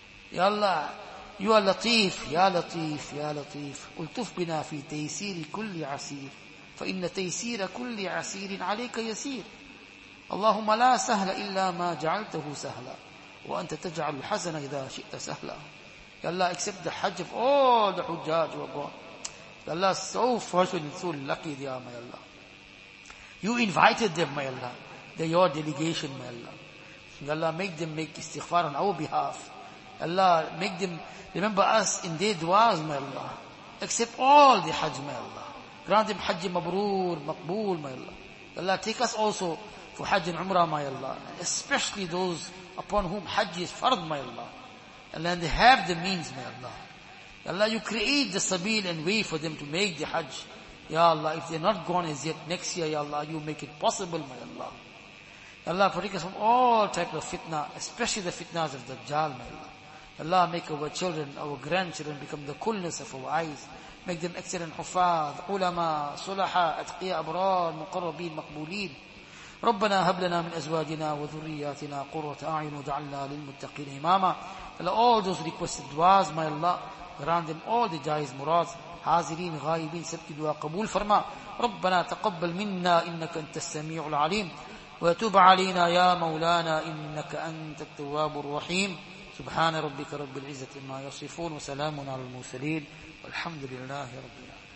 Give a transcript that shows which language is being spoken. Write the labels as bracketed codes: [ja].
[en] Ya Allah, you are latif, ya latif, ya latif. [ar] Ultuf bina fi taysir kull asir. فَإِنَّ تَيْسِيرَ كُلِّ عَسِيرٍ عَلَيْكَ يَسِيرٌ اللهم لا سهل إلا ما جعلته سهلا وأنت تجعل الحزن إذا شئت سهلا. [en] Ya Allah, accept the hajj of all the hujjaj who are born. Ya Allah, so fortunate, so lucky they are, my Allah. You invited them, my Allah. They're your delegation, my Allah. Ya Allah, make them make istighfar on our behalf. Ya Allah, make them remember us in their du'as, my Allah. Accept all the hajj, my Allah. Grant them Hajj Mabroor, Maqbool, my Allah. Allah, take us also for Hajj and Umrah, my Allah. Especially those upon whom Hajj is Fard, my Allah. Allah, and they have the means, my Allah. Allah, you create the sabil and way for them to make the Hajj. Ya Allah, if they're not gone as yet, next year, Ya Allah, you make it possible, my Allah. Allah, protect us from all types of fitna, especially the fitnas of Dajjal, my Allah. Allah, make our children, our grandchildren become the coolness of our eyes. Make them excellent [ar] حفاظ, علماء, صلحاء, أتقياء أبرار, مقربين, مقبولين. ربنا هب لنا من أزواجنا وذرياتنا قرة أعين وجعلنا للمتقين إماما. [en] Allah, all those requested duas, my Allah, grant them all the jais murads, [ar] حاضرين, غائبين, [ur] سبك دعاء قبول فرما. [ar] ربنا تقبل منا إنك أنت السميع العليم وتب علينا يا مولانا إنك أنت التواب الرحيم. سبحان ربك رب العزة ما يصفون وسلام على المرسلين. الحمد لله رب العالمين.